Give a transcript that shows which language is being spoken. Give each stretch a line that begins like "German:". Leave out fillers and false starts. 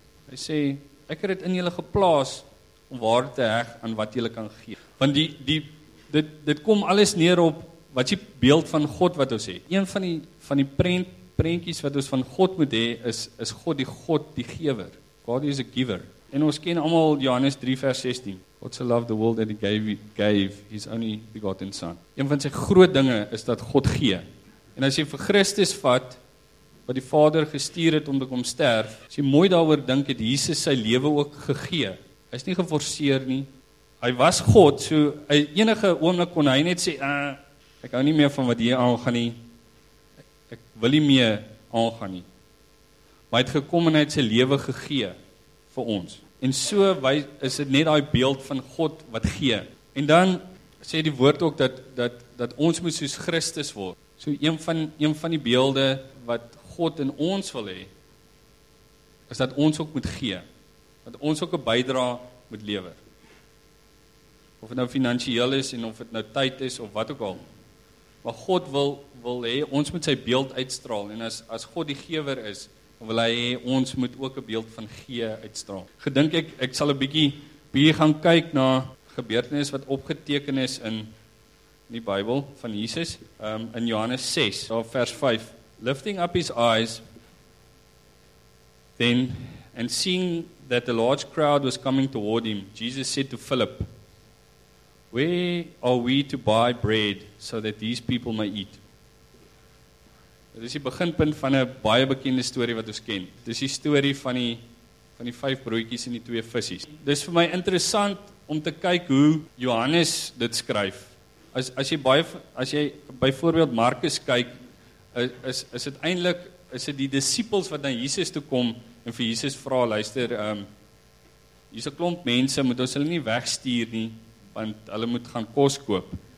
Afrikaans: Hy sê, ek het dit in julle geplaas om waarde te heg aan wat jy kan gee. Want dit kom alles neer op wat jy beeld van God wat ons het. Een van die prentjies wat ons van God moet hê is God die gewer. God is a giver. En ons ken almal Johannes 3 vers 16.
English: God so loved the world that he gave his only begotten son.
Afrikaans: Een van sy groot dinge is dat God gee. En as jy vir Christus vat wat die Vader gestuur het om te kom sterf, as jy mooi daaroor dink, het Jesus sy lewe ook gegee. Hy is nie geforseer nie. Hy was God, so enige oomblik kon hy net sê, ek hou nie meer van wat hier aangaan nie. Ek wil nie meer aangaan nie. Maar hy het gekom en hy het sy lewe gegee vir ons. En so is dit net daai beeld van God wat gee. En dan sê die woord ook dat ons moet soos Christus word. So een van die beelde wat God in ons wil hê, is dat ons ook moet gee. Dat ons ook 'n bydrae moet lewer. Of dit nou finansiëel is en of dit nou tyd is of wat ook al. Maar God wil hê ons moet sy beeld uitstraal, en as God die gewer is, wil hy hê ons moet ook 'n beeld van gee uitstraal. Gedink ek sal 'n bietjie gaan kyk na gebeurtenisse wat opgeteken is in die Bybel van Jesus, in Johannes 6, daar vers 5.
English: Lifting up his eyes then and seeing that a large crowd was coming toward him, Jesus said to Philip, where are we to buy bread so that these people may eat?
Afrikaans: Dit is die beginpunt van 'n baie bekende storie wat ons ken. Dit is die storie van die vyf broodjies en die twee vissies. Dit is vir my interessant om te kyk hoe Johannes dit skryf. As jy byvoorbeeld Markus kyk, is dit die disippels wat na Jesus toe kom en vir Jesus vra, luister, hier's 'n klomp mense, moet ons hulle nie wegstuur nie, want hulle moet gaan kos koop.